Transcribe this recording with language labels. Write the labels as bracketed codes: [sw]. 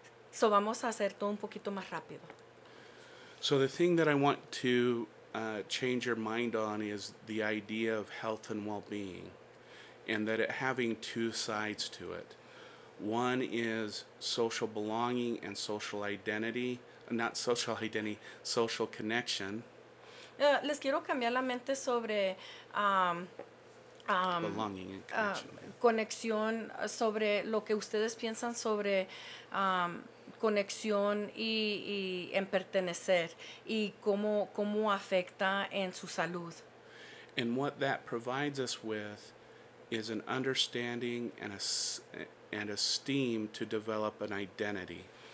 [es] So vamos a hacer todo un poquito más rápido. [en] So the thing that I want to change your mind on is the idea of health and well-being, and that it having two sides to it. One is social belonging and social identity, not social identity, social connection. [es] Les quiero cambiar la mente sobre [en] belonging and [es] conexión, sobre lo que ustedes piensan sobre conexión y en pertenecer y cómo afecta en su salud. [en] And what that provides us with is an understanding and esteem to develop an identity.